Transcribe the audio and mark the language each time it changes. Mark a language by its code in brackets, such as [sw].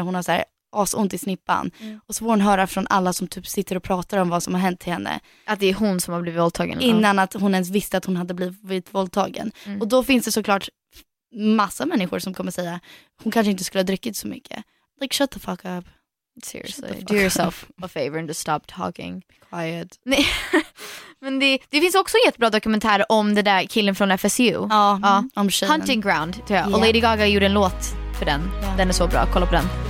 [sv] Hon har så här asont i snippan. Och så får hon höra från alla som typ sitter och pratar om vad som har hänt till henne. Att det är hon som har blivit våldtagen. Innan att hon ens visste att hon hade blivit våldtagen. Mm. Och då finns det såklart massa människor som kommer säga hon kanske inte skulle ha druckit så mycket. [en] Like, shut the fuck up. Seriously, fuck do yourself a favor and just stop talking. Be quiet. [sv] Nej. Men det finns också en jättebra dokumentär om det där killen från FSU. Ja, om tjejen. Hunting Ground, tror jag. [en] Yeah. [sv] Och Lady Gaga gjorde en låt för den. Yeah. Den är så bra, kolla på den.